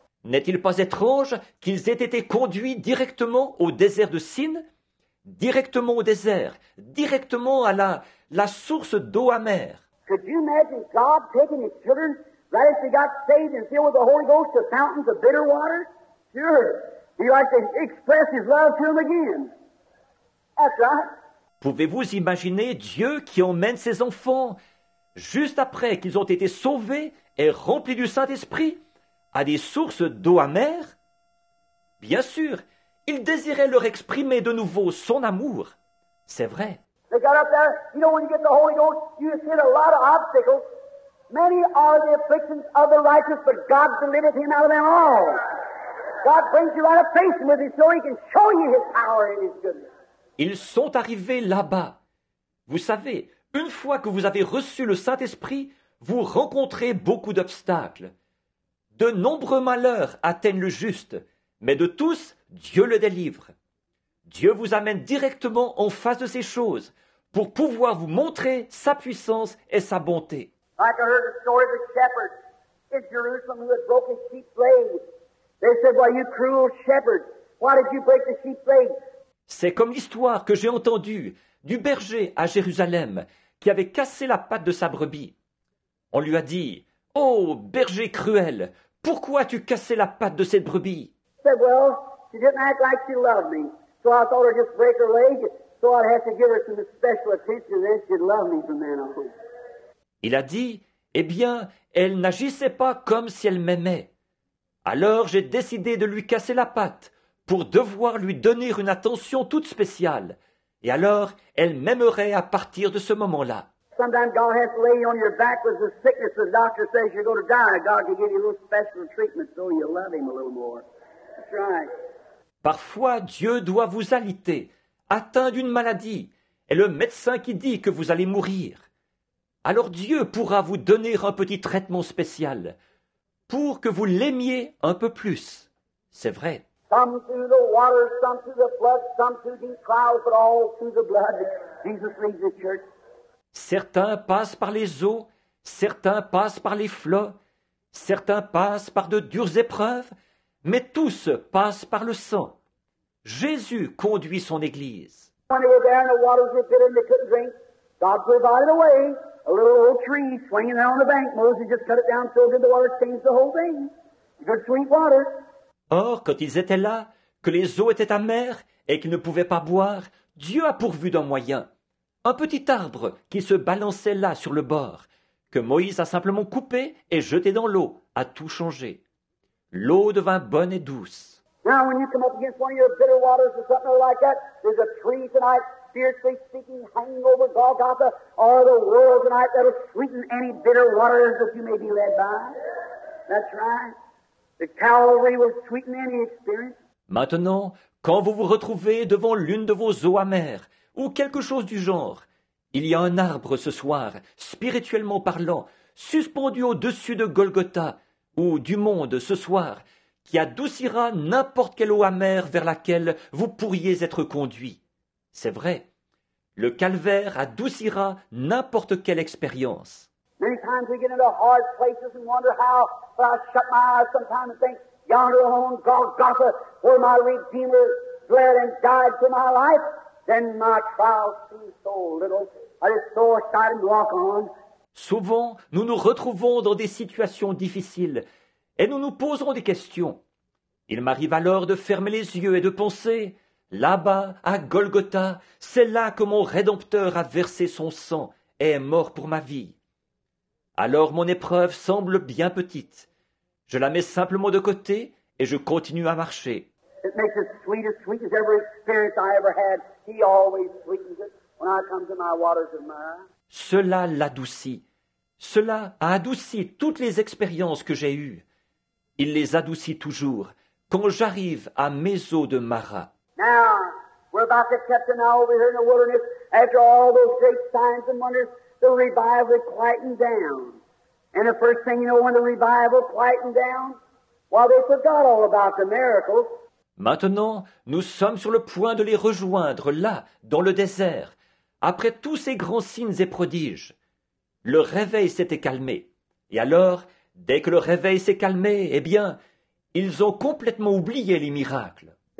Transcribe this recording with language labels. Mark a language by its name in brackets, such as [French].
[French] N'est-il pas étrange qu'ils aient été conduits directement au désert de Sin? Directement au désert, directement à la source d'eau amère. [English] Could you imagine God taking his children right as they got saved and filled with the Holy Ghost to fountains of bitter water? Sure. He likes to express his love to them again. That's right. [French] Pouvez-vous imaginer Dieu qui emmène ses enfants juste après qu'ils ont été sauvés et remplis du Saint-Esprit? À des sources d'eau amère? Bien sûr, il désirait leur exprimer de nouveau son amour. C'est vrai. [English] They got up there. You know, when you get the Holy Ghost, you just hit a lot of obstacles. Many are the afflictions of the righteous, but God delivered him out of them all. God brings you right up facing with him so he can show you his power and his goodness. [French] Ils sont arrivés là-bas. Vous savez, une fois que vous avez reçu le Saint-Esprit, vous rencontrez beaucoup d'obstacles. De nombreux malheurs atteignent le juste, mais de tous, Dieu le délivre. Dieu vous amène directement en face de ces choses pour pouvoir vous montrer sa puissance et sa bonté. [English] Like I heard the story of the shepherd in Jerusalem who had broken sheep's legs. They said, "Why, you cruel shepherd, why did you break the sheep's legs?" [French] C'est comme l'histoire que j'ai entendue du berger à Jérusalem qui avait cassé la patte de sa brebis. On lui a dit, « Oh, berger cruel, pourquoi as-tu cassé la patte de cette brebis ?» [English] said, well, she didn't act like she loved me. So I thought I'd just break her leg. So I'd have to give her some special attention, then she'd love me from then on. [French] Il a dit, eh bien, elle n'agissait pas comme si elle m'aimait. Alors j'ai décidé de lui casser la patte pour devoir lui donner une attention toute spéciale. Et alors, elle m'aimerait à partir de ce moment-là. [English] Sometimes God has to lay you on your back with a sickness. The doctor says you're going to die. God can give you a little special treatment so you love him a little more. That's right. [French] Parfois, Dieu doit vous aliter, atteint d'une maladie, et le médecin qui dit que vous allez mourir. Alors Dieu pourra vous donner un petit traitement spécial pour que vous l'aimiez un peu plus. C'est vrai. [English] Some through the water, some through the flood, some through the trials, but all through the blood. Jesus leads the church. [French] Certains passent par les eaux, certains passent par les flots, certains passent par de dures épreuves, mais tous passent par le sang. Jésus conduit son Église. [English] When they were there and the waters were bitter and they couldn't drink, God provided a way. A little old tree swinging there on the bank. Moses just cut it down, filled in the water, changed the whole thing. Good sweet water. [French] Or, quand ils étaient là, que les eaux étaient amères et qu'ils ne pouvaient pas boire, Dieu a pourvu d'un moyen. Un petit arbre qui se balançait là sur le bord, que Moïse a simplement coupé et jeté dans l'eau, a tout changé. L'eau devint bonne et douce. [English] Now, when you come up against one of your bitter waters or something like that, there's a tree tonight, fiercely speaking, hanging over Golgotha, all the world tonight that'll sweeten any bitter waters that you may be led by. That's right. The Calvary will sweeten any experience. [French] Maintenant, quand vous vous retrouvez devant l'une de vos eaux amères, ou quelque chose du genre. Il y a un arbre ce soir, spirituellement parlant, suspendu au-dessus de Golgotha, ou du monde ce soir, qui adoucira n'importe quelle eau amère vers laquelle vous pourriez être conduit. C'est vrai, le calvaire adoucira n'importe quelle expérience. [English] Many times we get into hard places and wonder how, but I shut my eyes sometimes and think, yonder on Golgotha, where my Redeemer bled and died for my life. Then my trials seem so little. I just so excited to walk on. [French] Souvent, nous nous retrouvons dans des situations difficiles et nous nous posons des questions. Il m'arrive alors de fermer les yeux et de penser, là-bas, à Golgotha, c'est là que mon Rédempteur a versé son sang et est mort pour ma vie. Alors mon épreuve semble bien petite. Je la mets simplement de côté et je continue à marcher. [English] It makes the sweetest, sweetest ever experience I ever had. He always sweetens it when I come to my waters of mine. [French] Cela l'adoucit. Cela a adouci toutes les expériences que j'ai eues. Il les adoucit toujours quand j'arrive à mes eaux de Marah. [English] Now, we're about to catch an hour over here in the wilderness. After all those great signs and wonders, the revival quietened down. And the first thing you know when the revival quietened down, well, they forgot all about the miracles. [French] Maintenant, nous sommes sur le point de les rejoindre là, dans le désert, après tous ces grands signes et prodiges. Le réveil s'était calmé. Et alors, dès que le réveil s'est calmé, eh bien, ils ont complètement oublié les miracles.